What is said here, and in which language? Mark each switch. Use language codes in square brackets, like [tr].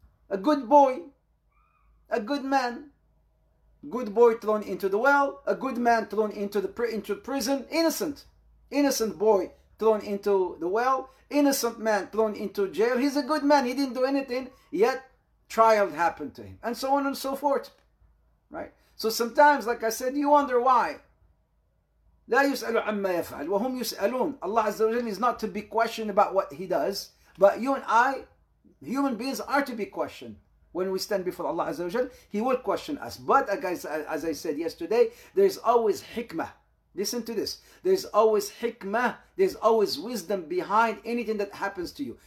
[en] A good boy, a good man, good boy thrown into the well, a good man thrown into prison, innocent boy thrown into the well, innocent man thrown into jail. He's a good man, he didn't do anything, yet trial happened to him, and so on and so forth. Right? So sometimes, like I said, you wonder why. [ar] لا يسأل عما يفعل وهم يسألون. [en] Allah Azza wa Jalla is not to be questioned about what he does, but you and I, human beings, are to be questioned. When we stand before Allah Azza wa Jalla, he will question us. But as I said yesterday, there's always hikmah. Listen to this. There's always hikmah. There's always wisdom behind anything that happens to you.